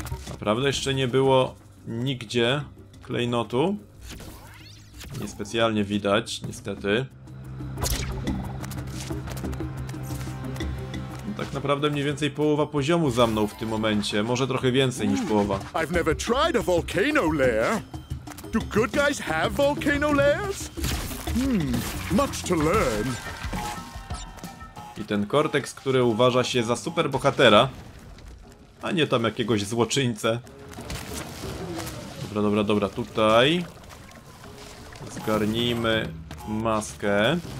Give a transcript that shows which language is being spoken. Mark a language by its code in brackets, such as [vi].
[pl] Naprawdę jeszcze nie było nigdzie klejnotu. Niespecjalnie widać, niestety. No, tak naprawdę mniej więcej połowa poziomu za mną w tym momencie. Może trochę więcej niż połowa. [en] I've never tried a volcano lair. Do good guys have volcano lairs? Much to learn. [pl] I ten Cortex, który uważa się za super bohatera. A nie tam jakiegoś złoczyńcę. Dobra, dobra, dobra, tutaj. Zgarnijmy maskę.